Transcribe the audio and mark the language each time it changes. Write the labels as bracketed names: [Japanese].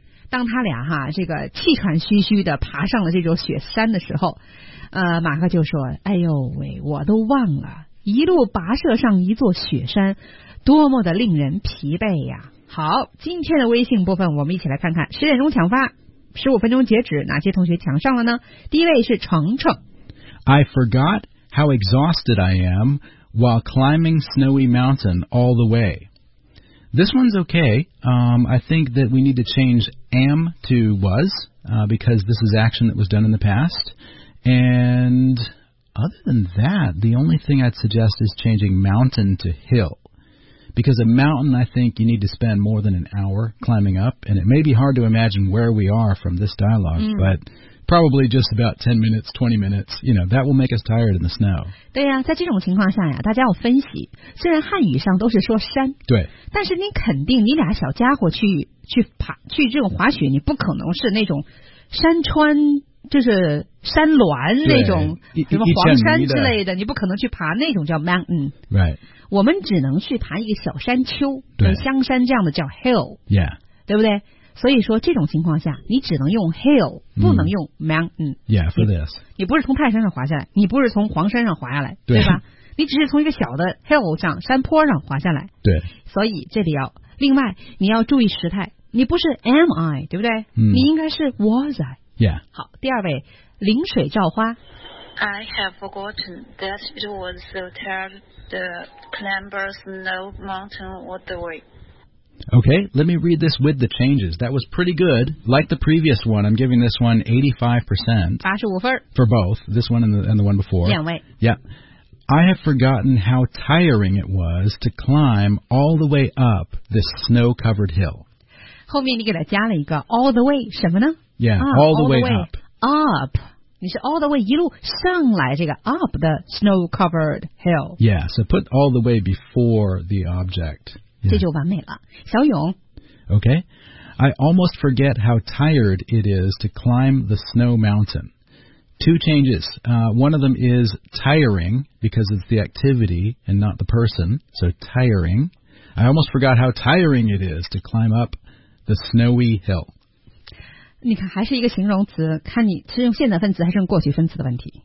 [Chinese] 当他俩哈这个气喘吁吁的爬上了这座雪山的时候，马克就说：“哎呦喂，我都忘了，一路跋涉上一座雪山，多么的令人疲惫呀！” 好，今天的微信部分，我们一起来看看十点钟抢发。 15分钟截止，哪些同学抢上了呢？第一位是程程。 [English] I forgot how exhausted I am while climbing snowy mountain all the way. This one's okay. I think that we need to change am to was, because this is action that was done in the past. And other than that, the only thing I'd suggest is changing mountain to hill. Because a mountain, I think you need to spend more than an hour climbing up. And it may be hard to imagine where we are from this dialogue,、but probably just about 10 minutes, 20 minutes. You know, that will make us tired in the snow. [Chinese] 对呀、啊、在这种情况下呀大家要分析。虽然汉语上都是说山。对。但是你肯定你俩小家伙去爬去这种滑雪你不可能是那种山川就是山峦那种什么黄山之类的你不可能去爬那种叫 mountain。 [English] Right. [Chinese] 我们只能去爬一个小山丘，对，香山这样的叫 hill， [English] yeah， [Chinese] 对不对？所以说这种情况下，你只能用 hill， 不能用 mountain， [English] yeah， for this， [Chinese] 你不是从泰山上滑下来，你不是从黄山上滑下来，对吧？你只是从一个小的 hill 上山坡上滑下来，对。所以这里要另外你要注意时态，你不是 am I， 对不对？你应该是 was I， [English] yeah。 [Chinese] 好，第二位，临水照花。 [English] I have forgotten that it was the term the climber snow mountain all the way. Okay, let me read this with the changes. That was pretty good. Like the previous one, I'm giving this one 85%. [Chinese] 85分. [English] For both, this one and the one before. Yeah, wait. Yeah. I have forgotten how tiring it was to climb all the way up this snow-covered hill. [Chinese] 后面你给它加了一个 all the way, 什么呢? [English] Yeah, all the way up. Up. 你是 all the way 一路上来这个 up the snow-covered hill. Yeah, so put all the way before the object. Yeah. [Chinese] 这就完美了。小勇。 [English] Okay. I almost forget how tired it is to climb the snow mountain. Two changes. One of them is tiring, because it's the activity and not the person. So tiring. I almost forgot how tiring it is to climb up the snowy hill. [Chinese] 你看还是一个形容词，看你是用现在分词还是用过去分词的问题。